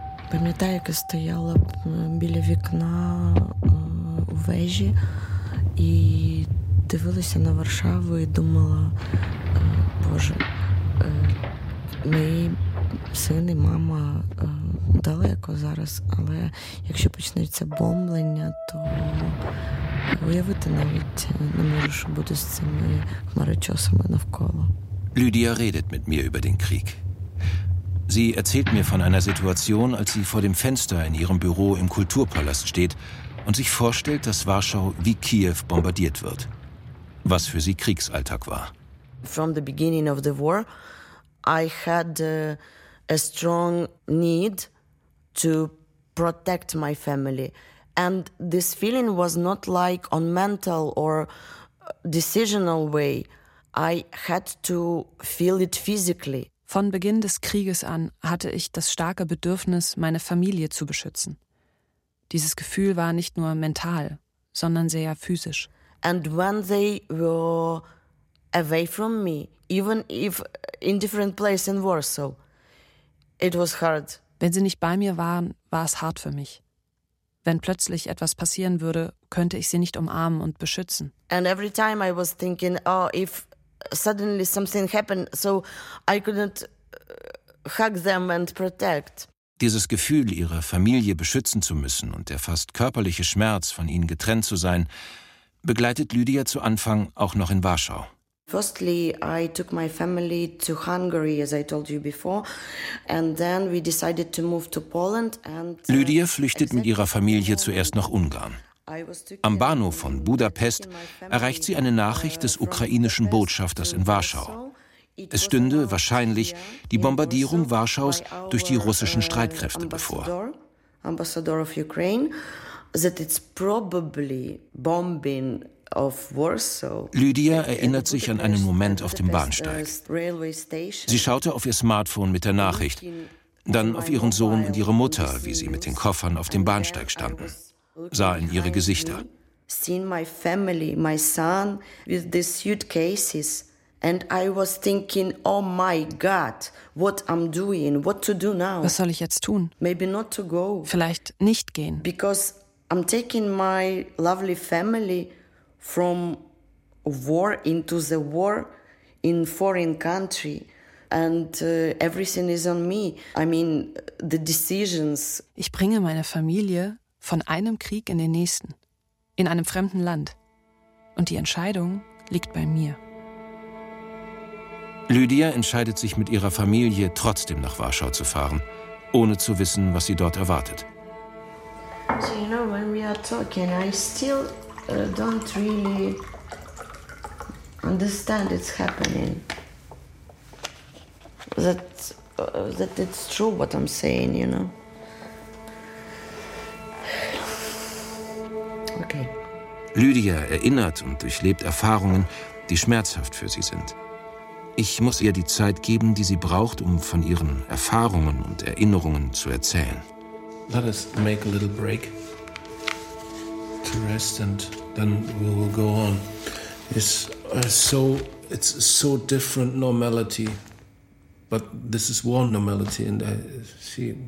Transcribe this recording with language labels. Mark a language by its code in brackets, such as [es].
[uk] Пам'ятаю, як стояла біля вікна у вежі і дивилася на Варшаву і думала, Боже, мій син і мама далеко зараз, але якщо почнеться бомблення, то уявити навіть не можу, що буде з цими хмарочосами навколо. [de] Lydia redet mit mir über den Krieg. Sie erzählt mir von einer Situation, als sie vor dem Fenster in ihrem Büro im Kulturpalast steht und sich vorstellt, dass Warschau wie Kiew bombardiert wird. Was für sie Kriegsalltag war. [en] From the beginning of the war, I had a strong need to protect my family. And this feeling was not like on mental or decisional way. I had to feel it physically. [de] Von Beginn des Krieges an hatte ich das starke Bedürfnis, meine Familie zu beschützen. Dieses Gefühl war nicht nur mental, sondern sehr physisch. [en] And when they were away from me, even if in different place in Warsaw, it was hard. [de] Wenn sie nicht bei mir waren, war es hart für mich. Wenn plötzlich etwas passieren würde, könnte ich sie nicht umarmen und beschützen. [en] And every time I was thinking, oh, if suddenly something happened, so I couldn't hug them and protect. [de] Dieses Gefühl, ihre Familie beschützen zu müssen und der fast körperliche Schmerz, von ihnen getrennt zu sein, begleitet Lydia zu Anfang auch noch in Warschau. [en] Firstly, I took my family to Hungary, as I told you before, and then we decided to move to Poland. [de] Lydia flüchtet mit ihrer Familie zuerst nach Ungarn. Am Bahnhof von Budapest erreicht sie eine Nachricht des ukrainischen Botschafters in Warschau. Es stünde wahrscheinlich die Bombardierung Warschaus durch die russischen Streitkräfte bevor. [en] Ambassador of Ukraine, that it's probably bombing of Warsaw. [de] Lydia erinnert sich an einen Moment auf dem Bahnsteig. Sie schaute auf ihr Smartphone mit der Nachricht, dann auf ihren Sohn und ihre Mutter, wie sie mit den Koffern auf dem Bahnsteig standen. Sah in ihre Gesichter. [en] Seen my family, my son, with these suitcases, and I was thinking, oh my God, what I'm doing, what to do now? [de] Was soll ich jetzt tun? [en] Maybe not to go. [de] Vielleicht nicht gehen. [en] Because I'm taking my lovely family from war into the war in foreign country. And everything is on me. I mean, the decisions. [de] Ich bringe meine Familie von einem Krieg in den nächsten, in einem fremden Land. Und die Entscheidung liegt bei mir. Lydia entscheidet sich mit ihrer Familie trotzdem nach Warschau zu fahren, ohne zu wissen, was sie dort erwartet. [en] So, you know, when we are talking, I still don't really understand it's happening. That it's true what I'm saying, you know. Okay. [de] Lydia erinnert und durchlebt Erfahrungen, die schmerzhaft für sie sind. Ich muss ihr die Zeit geben, die sie braucht, um von ihren Erfahrungen und Erinnerungen zu erzählen. [en] Let us make a little break to rest and then we will go on. It's so It's so different normality. But this is war normality, and I see...